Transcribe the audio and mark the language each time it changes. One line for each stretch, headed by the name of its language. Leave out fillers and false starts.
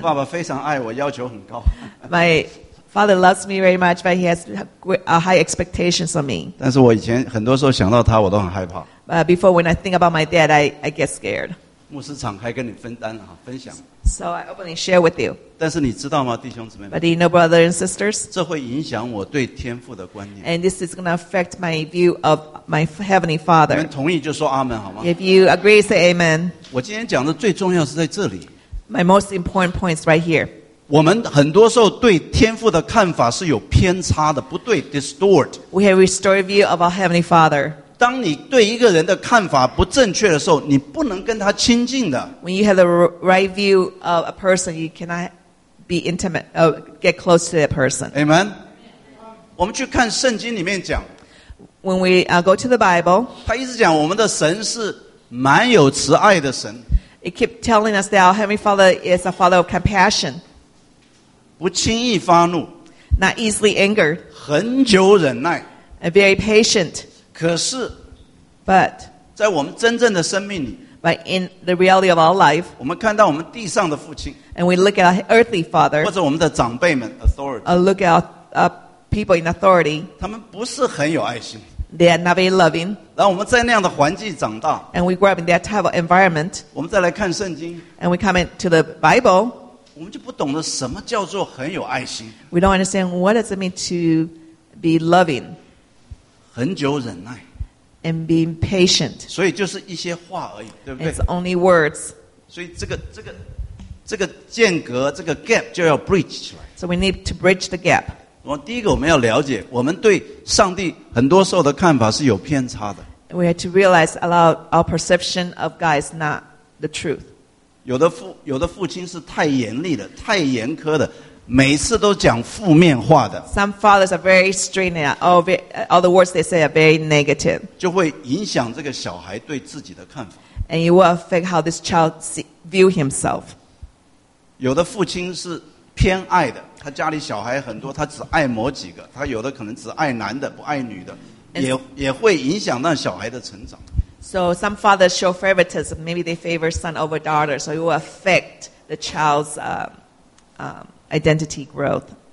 Chinese: 爸爸非常爱我，要求很高。
English: My father loves me very much, but he has high expectations on me.
Chinese: 但是我以前很多时候想到他，我都很害怕。
English: Before when I think about my dad, I get scared.
Chinese: 牧师敞开跟你分担啊，分享。
English: So I openly share with you.
Chinese: 但是你知道吗，弟兄姊妹们
English: ？But do you know, brothers and sisters?
Chinese: 这会影响我对天父的观念。
English: And this is going to affect my view of my heavenly father.
Chinese: 你们同意就说阿门好吗
English: ？If you agree, say amen.
Chinese: 我今天讲的最重要是在这里。
English: My most important points right here.
Chinese: 我们很多时候对天父的看法是有偏差的，不对 ，distort.
English: We have a distorted view of our heavenly father.
Chinese: 当你对一个人的看法不正确的时候，你不能跟他亲近的。
English: When you have the right view of a person, you cannot be intimate, get close to that person.
Chinese: Amen. 我们去看圣经里面讲。
English: When we go to the Bible,
Chinese: 他一直讲我们的神是满有慈爱的神。
English: It keep telling us that our Heavenly Father is a Father of compassion.
Chinese: 不轻易发怒。
English: Not easily angered.
Chinese: 很久忍耐。
English: And very patient.
Chinese: 可是
English: but,
Chinese: 在我们真正的生命里
English: but in the reality of our life,
Chinese: 我们看到我们地上的父亲
English: and we look at our earthly father,
Chinese: 或者我们的长辈们 authority,
English: look at our people in authority,
Chinese: 他们不是很有爱心
English: they are not very loving,
Chinese: 然后我们在那样的环境长大
English: and we grow up in that type of environment,
Chinese: 我们再来看圣经
English: and we come into the Bible,
Chinese: 我们就不懂得什么叫做很有爱心
English: we don't understand what does it mean to be loving,
Chinese: 很久忍耐
English: and being patient
Chinese: 所以就是一些话而已对不对
English: it's only words
Chinese: 所以这个间隔这个 gap 就要 bridge 起来
English: so we need to bridge the gap
Chinese: 第一个我们要了解我们对上帝很多时候的看法是有偏差的
English: we have to realize a lot of our perception of God is not the truth.
Chinese: 有的父亲是太严厉的，太严苛的。每次都讲负面话的。Some
English: fathers are very strict. All the words they say are very negative.
Chinese: 就会影响这个小孩对自己的看法。And
English: it will affect how this child view himself.
Chinese: 有的父亲是偏爱的，他家里小孩很多，他只爱某几个。他有的可能只爱男的，不爱女的，也会影响那小孩的成长。So
English: some fathers show favoritism. Maybe they favor son over daughter, so it will affect the child's identity growth.